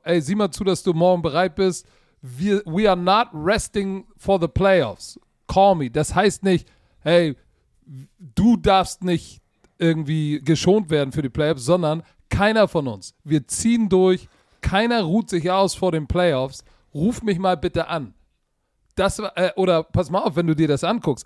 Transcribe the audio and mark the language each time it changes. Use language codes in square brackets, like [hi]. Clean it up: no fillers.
[de] Ey, sieh mal zu, dass du morgen bereit bist. [en] We are not resting for the playoffs. Call me. [de] Das heißt nicht, hey, du darfst nicht irgendwie geschont werden für die Playoffs, sondern keiner von uns. Wir ziehen durch. Keiner ruht sich aus vor den Playoffs. Ruf mich mal bitte an. Oder pass mal auf, wenn du dir das anguckst.